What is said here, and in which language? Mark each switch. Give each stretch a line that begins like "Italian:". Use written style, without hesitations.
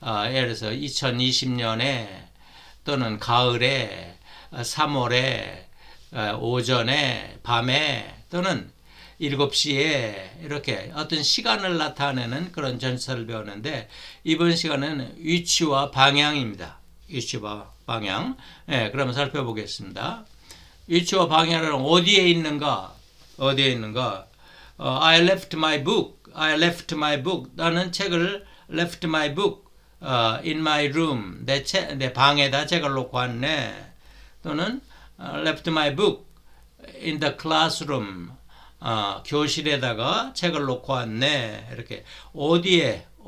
Korean: 예를 들어서 2020년에 또는 가을에 3월에 오전에 밤에 또는 7시에 이렇게 어떤 시간을 나타내는 그런 전치사를 배웠는데 이번 시간에는 위치와 방향입니다. 위치와 방향. 예, 그러면 살펴보겠습니다. 위치와 방향은 어디에 있는가? 어디에 있는가?
English: I left my book. I left my book.
Korean: 나는 책을
English: left my book in my room.
Korean: 내 방에다 책을 놓고 왔네. 또는
English: left my book in the classroom.
Korean: 교실에다가 책을 놓고 왔네. 이렇게 어디에?